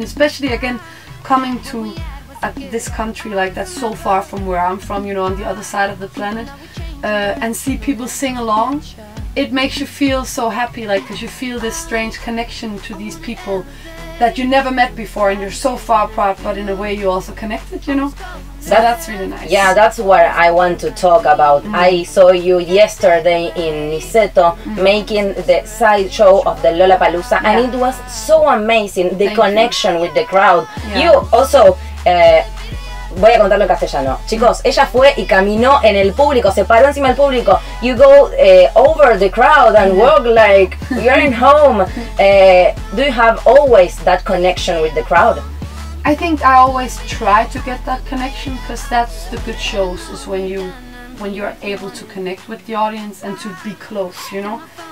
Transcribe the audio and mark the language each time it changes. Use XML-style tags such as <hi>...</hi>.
<en>And especially, again, coming to this country, like, that's so far from where I'm from, you know, on the other side of the planet, and see people sing along, it makes you feel so happy, like, because you feel this strange connection to these people that you never met before and you're so far apart, but in a way you also connected, you know? So that's really nice. Yeah, that's what I want to talk about. Mm. I saw you yesterday in Niceto making the sideshow of the Lollapalooza, and it was so amazing, the connection with the crowd. Yeah. You also,</en> <es>voy a contarlo en castellano. Chicos, ella fue y caminó en el público, se paró encima del público.</es> <en>You go over the crowd and walk like you're in home. Do you have always that connection with the crowd? I think I always try to get that connection, because that's the good shows, is when you're able to connect with the audience and to be close, you know?</en>